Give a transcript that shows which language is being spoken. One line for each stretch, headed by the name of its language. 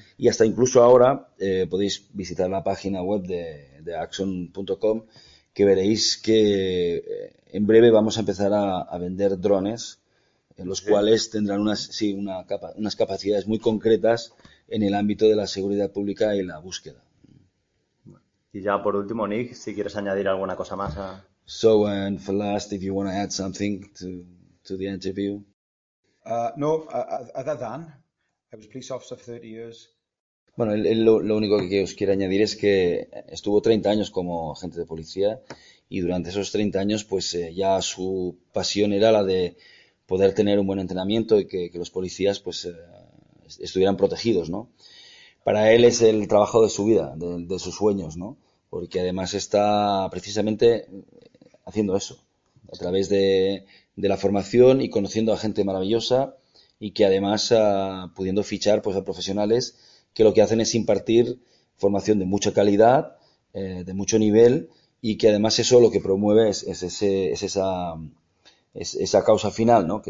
Spanish: Y hasta incluso ahora podéis visitar la página web de Axon.com que veréis que en breve vamos a empezar a vender drones, en los cuales tendrán unas capacidades muy concretas en el ámbito de la seguridad pública y la búsqueda. Y ya por último, Nick, si quieres añadir alguna cosa más.
English: So, and for last, if you want to add something to the interview. No, other than, I was police officer for 30 years.
Spanish: Bueno, él lo único que os quiero añadir es que estuvo 30 años como agente de policía y durante esos 30 años pues ya su pasión era la de poder tener un buen entrenamiento y que los policías pues estuvieran protegidos, ¿no? Para él es el trabajo de su vida, de sus sueños, ¿no? Porque además está precisamente haciendo eso, a través de la formación y conociendo a gente maravillosa y que además pudiendo fichar pues a profesionales que lo que hacen es impartir formación de mucha calidad, de mucho nivel, y que además eso lo que promueve es esa causa final, ¿no?